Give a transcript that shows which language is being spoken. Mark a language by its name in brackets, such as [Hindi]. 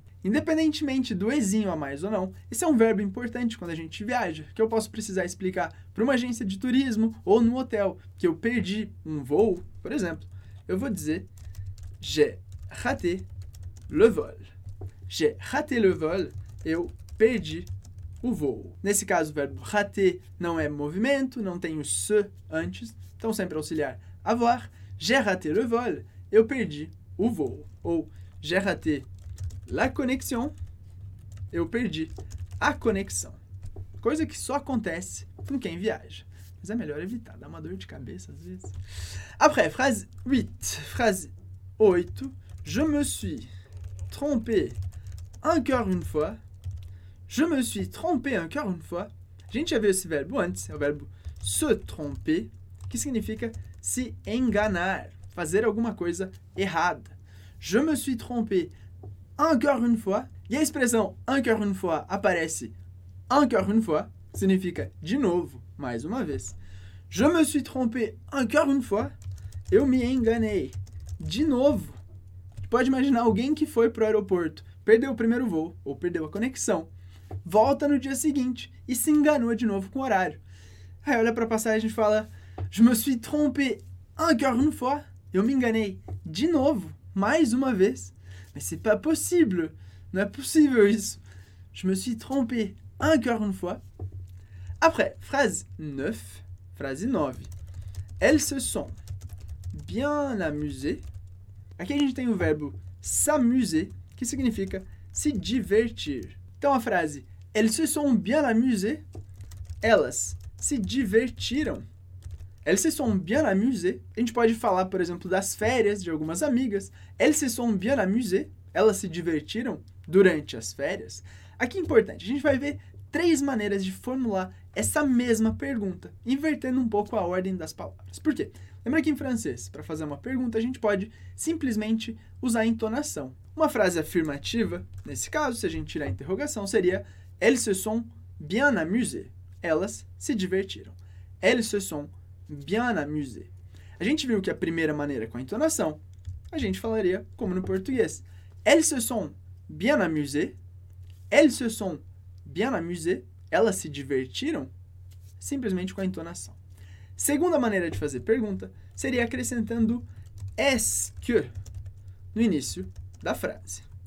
[Portuguese] Independentemente do ezinho a mais ou não, esse é um verbo importante quando a gente viaja, que eu posso precisar explicar para uma agência de turismo ou no hotel que eu perdi um voo, por exemplo. Eu vou dizer, [French] j'ai raté le vol. J'ai raté le vol. [Portuguese] Eu perdi o voo. Nesse caso, o verbo raté não é movimento, não tem o se antes. Então, sempre auxiliar avoir. [French] J'ai raté le vol. [Portuguese] Eu perdi o voo. [French] Ou j'ai raté la connexion. [Portuguese] Eu perdi a conexão. Coisa que só acontece com quem viaja. Mas é melhor evitar, dá uma dor de cabeça às vezes. [French] Après, phrase 8. Phrase 8. Je me suis trompé encore une fois. Je me suis trompé encore une fois. [Portuguese] A gente já viu esse verbo antes, é o verbo se tromper, que significa se enganar, fazer alguma coisa errada. [French] Je me suis trompé encore une fois. [Portuguese] E a expressão encore une fois aparece encore une fois, significa de novo, mais uma vez. [French] Je me suis trompé encore une fois. [Portuguese] Eu me enganei. De novo. Pode imaginar alguém que foi para o aeroporto, perdeu o primeiro voo ou perdeu a conexão, volta no dia seguinte e se enganou de novo com o horário. Aí olha para a passagem e fala: [French] Je me suis trompé encore une fois. [Portuguese] Eu me enganei. De novo. Mais uma vez. Mas [French] c'est pas possible. [Portuguese] Não é possível isso. [French] Je me suis trompé encore une fois. Après, phrase 9. [Portuguese] Frase 9. [French] Elles se sont bien amusées. [Portuguese] Aqui a gente tem o verbo s'amuser, que significa se divertir. Então a frase [French] Elles se sont bien amusées. [Portuguese] Elas se divertiram. [French] Elles se sont bien amusées. [Portuguese] A gente pode falar, por exemplo, das férias de algumas amigas. [French] Elles se sont bien amusées. [Portuguese] Elas se divertiram durante as férias. Aqui é importante, a gente vai ver três maneiras de formular essa mesma pergunta, invertendo um pouco a ordem das palavras. Por quê? Lembra que em francês, para fazer uma pergunta, a gente pode simplesmente usar a entonação. Uma frase afirmativa, nesse caso, se a gente tirar a interrogação, seria [French] Elles se sont bien amusées. [Portuguese] Elas se divertiram. [French] Elles se sont bien amusées. [Portuguese] A gente viu que a primeira maneira com a entonação, a gente falaria como no português. [French] Elles se sont bien amusées. Elles se sont bien amusées. [Portuguese] Elas se divertiram simplesmente com a entonação. Segunda maneira de fazer pergunta seria acrescentando est-ce que no início da frase.